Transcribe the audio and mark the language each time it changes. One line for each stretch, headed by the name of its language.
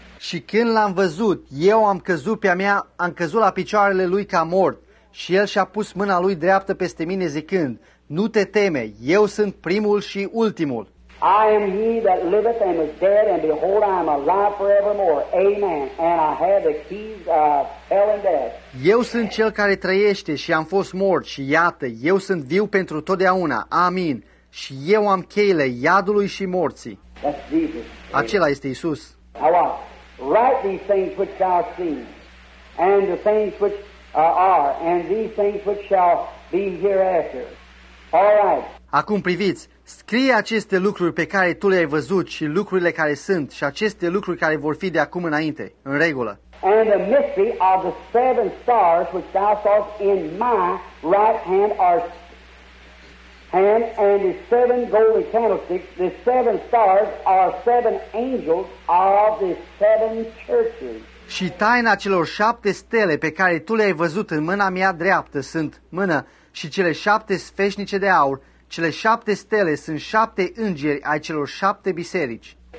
Romanian: Și când l-am văzut, eu am căzut pe-a mea, am căzut la picioarele lui ca mort, și el și-a pus mâna lui dreaptă peste mine, zicând, "Nu te teme, eu sunt primul și ultimul."
English: I am he that liveth and is dead, and behold, I am alive forevermore. Amen. And I have the keys of hell and death.
Romanian: Eu sunt cel care trăiește și am fost mort și iată, eu sunt viu pentru totdeauna. Amin. Și eu am cheile iadului și morții.
English: That's Jesus.
Romanian: Acela este Iisus.
English: Now watch. Write these things which thou seest, and the things which are, and these things which shall be hereafter. All right.
Romanian: Acum priviți. Scrie aceste lucruri pe care tu le-ai văzut și lucrurile care sunt și aceste lucruri care vor fi de acum înainte, în regulă.
English: And the mystery of the seven stars which thou sawest in my right hand are hand and the seven golden candlesticks, the seven stars are seven angels of the seven churches.
Romanian: Și taina celor șapte stele pe care tu le-ai văzut în mâna mea dreaptă sunt mână și cele șapte sfeșnice de aur. Cele șapte stele sunt șapte îngeri ai celor șapte biserici.